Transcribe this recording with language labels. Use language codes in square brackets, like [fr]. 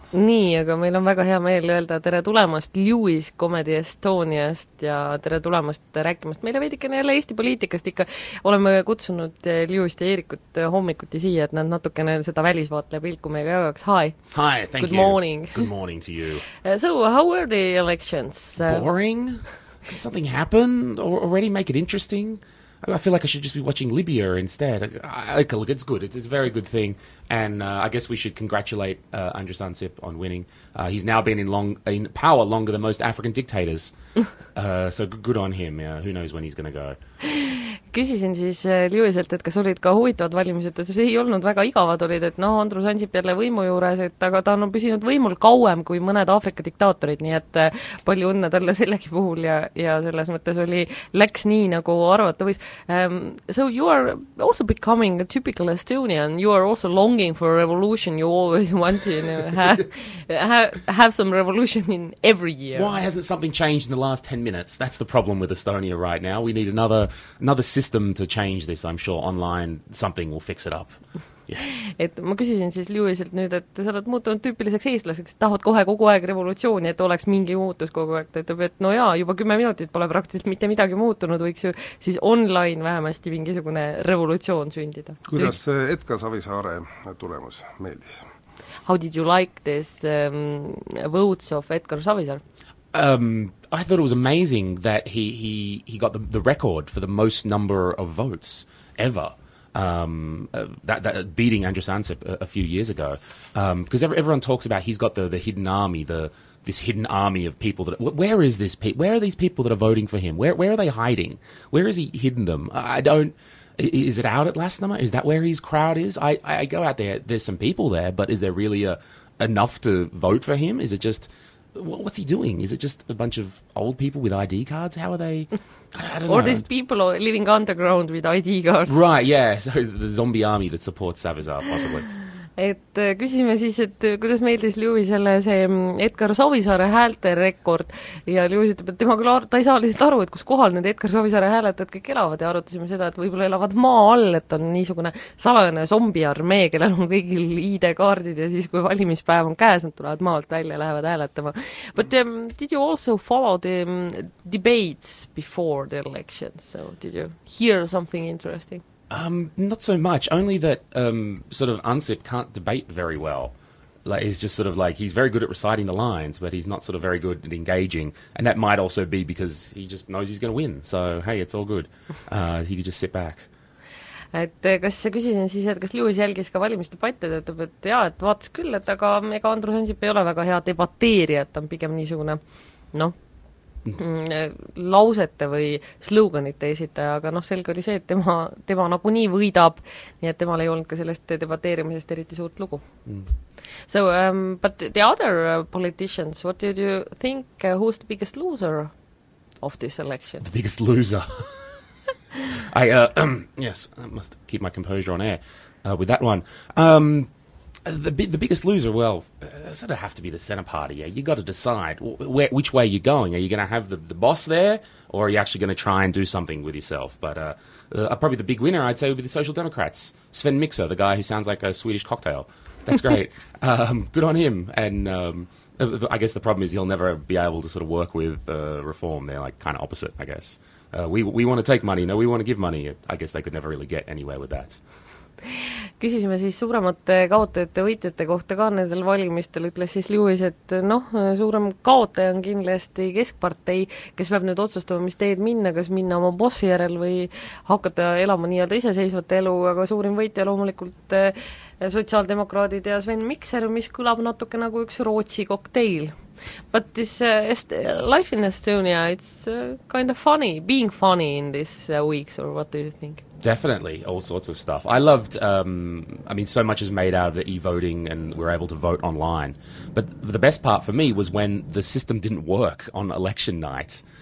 [et] nii , aga meil on väga hea meel öelda tere tulemast Lewis Comedy Estoniast ja tere tulemast rääkimast meile veidikene jälle Eesti poliitikast ikka . Oleme kutsunud Lewis'i ja Eerikut hommikuti siia , et nad natukene seda välisvaatleja pilku meiega jagaks . [en] Hi ! Hi , thank Good you ! Good morning ! Good morning to you ! So , how were the elections ? Boring ? Did something happen ? Already make it interesting ? I feel like I should just be watching Libya instead. Okay, look, it's good. It's a very good thing. And I guess we should congratulate Andres Ansip on winning. He's now been in power longer than most African dictators. So good on him. Yeah, who knows when he's going to go. [et] Küsisin siis Lewiselt, et kas olid ka huvitavad valimised, et see ei olnud väga igavad olid, et noh, Andrus Ansip jälle võimu juures, et aga ta on püsinud võimul kauem kui mõned Aafrika diktaatorid, nii et palju õnne talle sellegi puhul ja selles mõttes oli, läks nii nagu arvata võis. [en] So you are also becoming a typical Estonian, you are also longing for a revolution you always want to have some revolution in every year. Why hasn't something changed in the last 10 minutes? That's the problem with Estonia right now. We need another system to change this, I'm sure online something will fix it up. Yes. [et] Et ma küsisin siis Lewiselt nüüd, et sa oled muutunud tüüpiliseks eestlaseks, et tahad kohe kogu aeg revolutsiooni, et oleks mingi muutus kogu aeg. Ta ütleb, et no jaa, juba 10 minutit pole praktiliselt mitte midagi muutunud, võiks ju siis online vähemasti mingisugune revolutsioon sündida. Kuidas Edgar Savisaare tulemus meeldis? [en] How did you like this votes of Edgar Savisaar? I thought it was amazing that he got the record for the most number of votes ever, that beating Andres Ansip a few years ago. Because everyone talks about he's got the hidden army, this hidden army of people where is this people? Where are these people that are voting for him? Where are they hiding? Where has he hidden them? Is it out at Lastnummer? Is that where his crowd is? I go out there, there's some people there, but is there really enough to vote for him? Is it just... What's he doing? Is it just a bunch of old people with ID cards? How are they? I don't or These people are living underground with ID cards. Right, yeah. So the zombie army that supports Savisaar, possibly. [et] Et küsisime siis, et kuidas meeldis Lewisele see Edgar Savisaare häälte rekord ja Lewis ütleb, et tema küll ta ei saa lihtsalt aru, et kus kohal need Edgar Savisaare hääletajad kõik elavad ja arutasime seda, et võibolla elavad maa all, et on niisugune salajane zombiarmee, kellel on kõigil ID-kaardid ja siis kui valimispäev on käes, nad tulevad maalt välja ja lähevad hääletama. [en] But did you also follow the debates before the elections? So did you hear something interesting? Not so much, only that sort of Ansip can't debate very well. Like, he's just sort of like, he's very good at reciting the lines, but he's not sort of very good at engaging. And that might also be because he just knows he's going to win. So, hey, it's all good. He could just sit back. [et] Et kas sa küsisin siis, et kas Lewis jälgis ka valimisdebatte, et ütleb, et jah, et vaatas küll, et aga ega Andrus Ansip ei ole väga hea debateerija, et on pigem niisugune, noh, lausete või sloganite esitaja, aga noh, selge oli see, et tema nagu nii võidab, nii et temal ei olnud ka sellest debateerimisest eriti suurt lugu. [en] So, but the other politicians, what did you think, who's the biggest loser of this election? The biggest loser? I, yes, I must keep my composure on air with that one. The biggest loser, well, sort of have to be the Centre Party. Yeah, you got to decide which way you're going. Are you going to have the boss there, or are you actually going to try and do something with yourself? But probably the big winner, I'd say, would be the Social Democrats. Sven Mixer, the guy who sounds like a Swedish cocktail. That's great. good on him. And I guess the problem is he'll never be able to sort of work with reform. They're like kind of opposite, I guess. We want to take money. No, we want to give money. I guess they could never really get anywhere with that. [et] Küsisime siis suuremate kaotajate võitjate kohta ka nendel valimistel, ütles siis Lewis, et noh, suurem kaotaja on kindlasti keskpartei, kes peab nüüd otsustama, mis teed minna, kas minna oma bossi järel või hakata elama nii-öelda iseseisvate elu, aga suurim võitja loomulikult sotsiaaldemokraadid ja Sven Mikser, mis kõlab natuke nagu üks Rootsi kokteil. [en] But this life in Estonia, it's kind of funny, being funny in these weeks, or what do you think? Definitely, all sorts of stuff. I loved, I mean, so much is made out of the e-voting and we're able to vote online. But the best part for me was when the system didn't work on election night.